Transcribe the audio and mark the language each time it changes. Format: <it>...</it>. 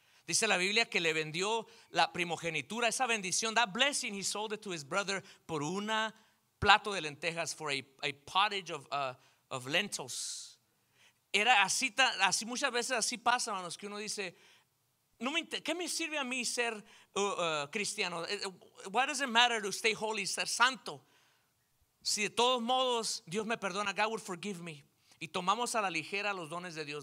<es>Dice la Biblia que le vendió la primogenitura, esa bendición,</es> <en>that blessing, he sold it to his brother</en> <es>por un plato de lentejas,</es> <en>for a pottage of lentils.</en> <es>Era así muchas veces, así pasa, hermanos, que uno dice, no me ¿qué me sirve a mí ser cristiano?</es> <en>What does it matter to stay holy,</en> <es>ser santo? Si de todos modos Dios me perdona,</es> <en>God will forgive me.</en> <es>Y tomamos a la ligera los dones de Dios.</es>